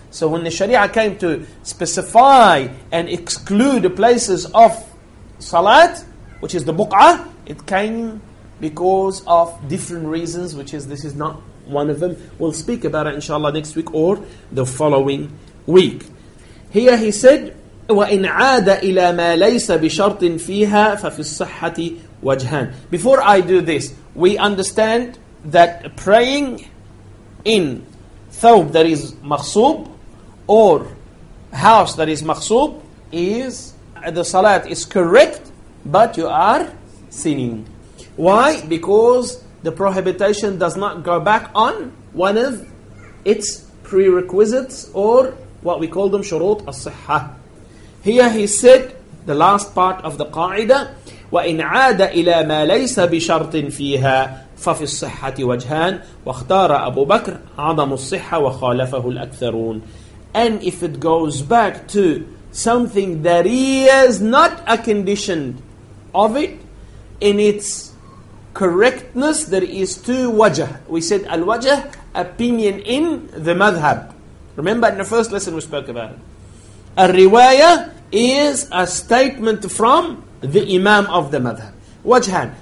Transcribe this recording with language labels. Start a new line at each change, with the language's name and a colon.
English: So when the Sharia came to specify and exclude places of salat, which is the buq'a, it came because of different reasons, which is, this is not one of them. We'll speak about it, inshallah, next week or the following week. Here he said,
Arabic: وَإِنْ عَادَ إِلَى مَا لَيْسَ بِشَرْطٍ فِيهَا فَفِي الصَّحَّةِ وَجْهَانِ.
English: Before I do this, we understand that praying in thawb that is maqsoob, or house that is maqsoob, is, the salat is correct, but you are sinning. Why? Because the prohibition does not go back on one of its prerequisites, or what we call them, shurut as-sihha. Here he said, the last part of the qa'idah,
Arabic: وَإِنْ عَادَ إِلَى مَا لَيْسَ بِشَرْطٍ فِيهَا فَفِي الصِّحَّةِ وَجْهَانِ وَاخْتَارَ أَبُو بَكْرَ عَضَمُ الصِّحَّةِ وَخَالَفَهُ الْأَكْثَرُونَ.
English: And if it goes back to something that is not a condition of it, in its correctness, there is two wajah. We said al-wajah, opinion in the madhab. Remember in the first lesson we spoke about it. Al-riwayah is a statement from the imam of the madhab. Wajhan.